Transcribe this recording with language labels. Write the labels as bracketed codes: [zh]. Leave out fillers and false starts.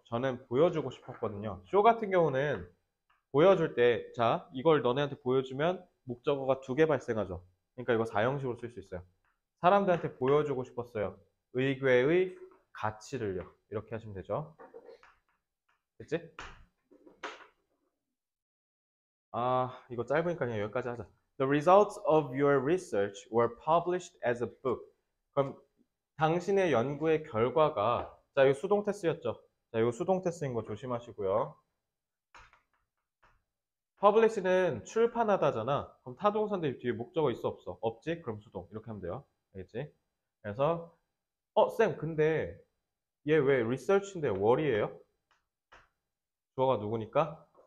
[ko] 저는 보여주고 싶었거든요. show 같은 경우는 보여줄 때, 자, 이걸 너네한테 보여주면 목적어가 두 개 발생하죠. 그러니까 이거 4형식으로 쓸 수 있어요. 사람들한테 보여주고 싶었어요. 의궤의 가치를요. 이렇게 하시면 되죠. 됐지? 아, 이거 짧으니까 그냥 여기까지 하자. [en] The results of your research were published as a book. [ko] 그럼 당신의 연구의 결과가, 자, 이거 수동 태스였죠. 자, 이거 수동 태스인 거 조심하시고요. Publish는 출판하다잖아. 그럼 타동사인데 뒤에 목적어 있어 없어? 없지? 그럼 수동. 이렇게 하면 돼요. 알겠지? 그래서 쌤, 근데 얘 왜 research인데 what이에요? 주어가 누구니까?